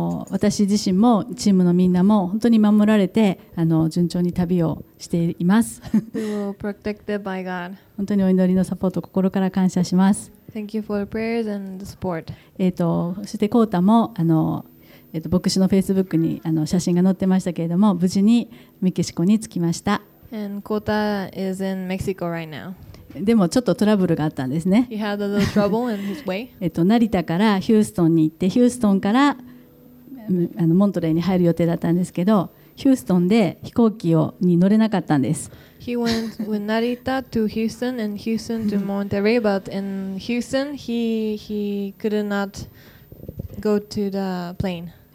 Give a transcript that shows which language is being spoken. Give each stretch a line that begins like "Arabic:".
Japanese: 私自身もチームのみんなも本当に守られて順調に旅をしています。
English: We were protected by God.
Japanese: 本当にお祈りのサポートを心から感謝します。
English: Thank you for the prayers and the support.
Japanese: そしてコータも牧師のフェイスブックに写真が載ってましたけれども無事にメキシコに着きました。
English: And Kota is in Mexico right now.
Japanese: でもちょっとトラブルがあったんですね。
English: He had a little trouble in his way.
Japanese: 成田からヒューストンに行ってヒューストンからモントレーに入る予定だったんですけどヒューストンで飛行機に乗れなかったんです。
English: He went with Narita to Houston and Houston to Monterey but in Houston he could notGo to the plane.